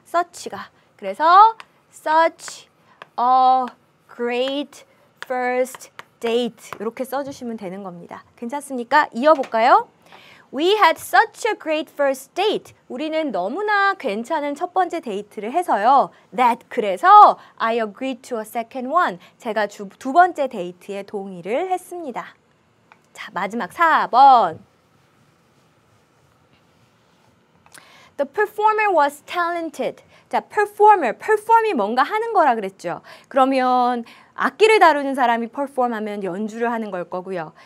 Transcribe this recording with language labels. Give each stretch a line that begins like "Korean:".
English: Such가.
Korean: 그래서
English: such a great first date.
Korean: 이렇게 써주시면 되는 겁니다. 괜찮습니까? 이어볼까요?
English: We had such a great first date.
Korean: 우리는 너무나 괜찮은 첫 번째 데이트를 해서요.
English: That
Korean: 그래서
English: I agreed to a second one.
Korean: 제가 두 번째 데이트에 동의를 했습니다. 자, 마지막 4번.
English: The performer was talented. 자, performer.
Korean: Perform이 뭔가 하는 거라 그랬죠. 그러면 악기를 다루는 사람이 perform하면 연주를 하는 걸 거고요.